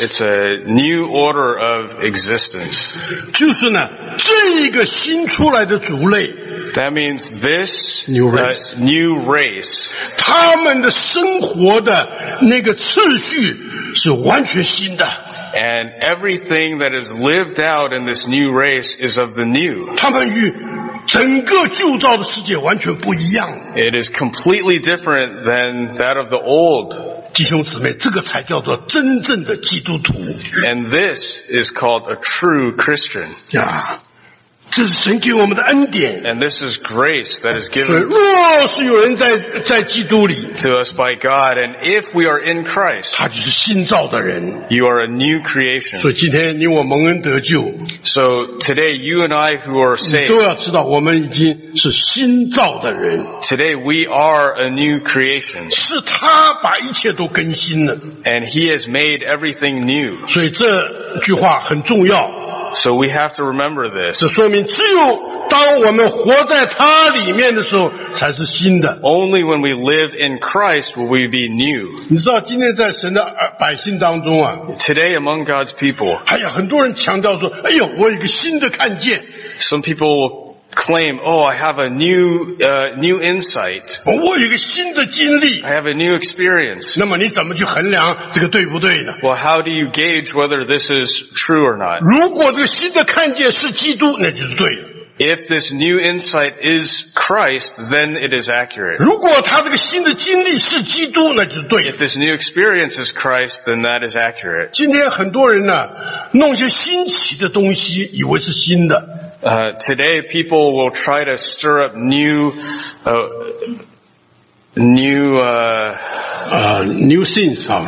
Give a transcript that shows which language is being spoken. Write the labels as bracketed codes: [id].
[en] It's a new order of existence. [zh] 就是呢，这个新出来的族类。 [en] That means this new race. New race. [zh] 他们的生活的那个次序是完全新的。 [en] And everything that is lived out in this new race is of the new. [zh] 他们与整个旧造的世界完全不一样。 [en] It is completely different than that of the old. [zh] 弟兄姊妹，这个才叫做真正的基督徒。 [en] And this is called a true Christian. [zh] 啊，这是神给我们的恩典。 [en] And this is grace that is given. [zh] 若是有人在基督里。 [en] To us by God, and if we are in Christ. [zh] 他就是新造的人。 [en] You are a new creation. [zh] 所以今天你我蒙恩得救。 [en] So today you and I who are saved. [zh] 都要知道我们已经是新造的人。 [en] Today we are a new creation. [zh] 是他把一切都更新了。 [en] And he has made everything new. [zh] 所以这句话很重要。 [en] So we have to remember this. [zh] 这说明只有当我们活在他里面的时候才是新的。 [en] Only when we live in Christ will we be new. [zh] 你知道今天在神的百姓当中啊。 [en] Today among God's people. [zh] 哎呀，很多人强调说，哎呦，我有一个新的看见。 [en] Some people will claim, oh, I have a new insight. [zh] 我有一个新的经历。 [en] I have a new experience. [zh] 那么你怎么去衡量这个对不对呢？ [en] Well, how do you gauge whether this is true or not? [zh] 如果这个新的看见是基督，那就是对的。 [en] If this new insight is Christ, then it is accurate. [zh] 如果他这个新的经历是基督，那就是对的。 [en] If this new experience is Christ, then that is accurate. [zh] 今天很多人呢，弄些新奇的东西，以为是新的。 [en] Today, people will try to stir up new things.